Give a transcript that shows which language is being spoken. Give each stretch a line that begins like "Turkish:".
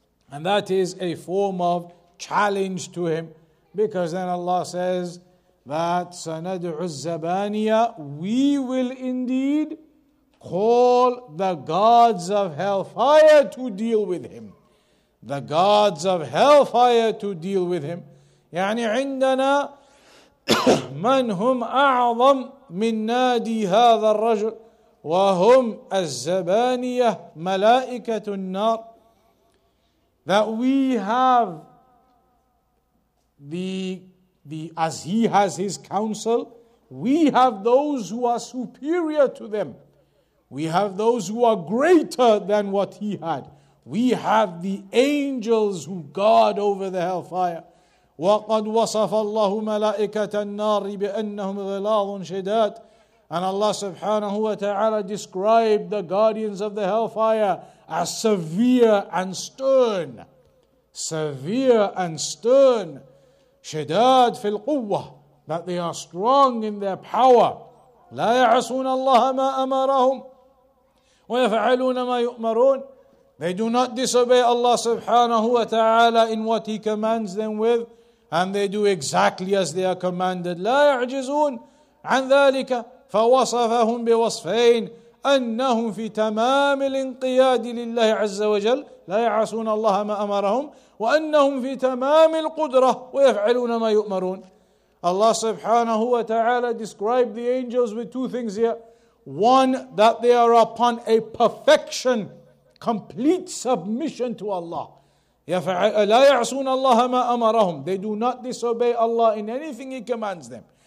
English: And that is a form of challenge to him, because then Allah says that
Arabic: سَنَدْعُ الزَّبَانِيَ,
English: we will indeed call the gods of hellfire to deal with him. The gods of hellfire to deal with him.
Arabic: يعني عندنا من هم أعظم من نادي هذا الرجل وهم الزبانية ملائكة النار.
English: That we have the as he has his counsel, we have those who are superior to them. We have those who are greater than what he had. We have the angels who guard over the hellfire.
Arabic: وَقَدْ وَصَفَ اللَّهُ مَلَائِكَةَ النَّارِ بِأَنَّهُمْ غِلَاظٌ شِدَادٌ.
English: And Allah subhanahu wa ta'ala described the guardians of the hellfire as severe and stern. Severe and stern.
Arabic: شداد في القوة,
English: that they are strong in their power.
Arabic: لا يعصون الله ما أمرهم ويفعلون ما يؤمرون.
English: They do not disobey Allah subhanahu wa ta'ala in what he commands them with, and they do exactly as they are commanded.
Arabic: لا يعجزون عن ذلك. فوصفهم بوصفين أنهم في تمام الانقياد لله عز وجل لا يعصون الله ما أمرهم وأنهم في تمام القدرة ويفعلون ما يؤمرون.
English: Allah subhanahu wa ta'ala described the angels with two things here. One, that they are upon a perfection, complete submission to Allah.
Arabic: لا يعصون الله ما أمرهم.
English: They do not disobey Allah in anything He commands them.